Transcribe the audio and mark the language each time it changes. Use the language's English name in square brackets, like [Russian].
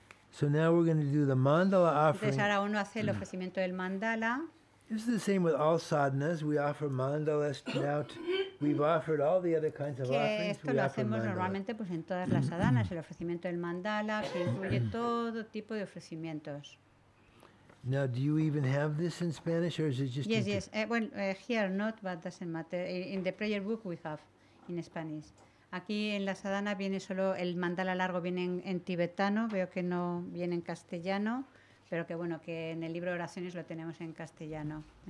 [English] So now we're going to do the mandala offering. [Spanish] Entonces ahora uno hace el ofrecimiento del mandala. [English] This is the same with all sadhanas. We offer mandalas now. We've offered all the other kinds of offerings. [Spanish] Que esto lo hacemos normalmente pues en todas las sadhanas, el ofrecimiento del mandala, que incluye todo tipo de ofrecimientos. [English] Now, do you even have this in Spanish, or is it just... Yes. Here not, but doesn't matter. In the prayer book we have in Spanish. [Spanish] Aquí en la sadhana viene solo el mandala largo, viene en tibetano. Veo que no viene en castellano, pero que bueno, que en el libro de oraciones lo tenemos en castellano.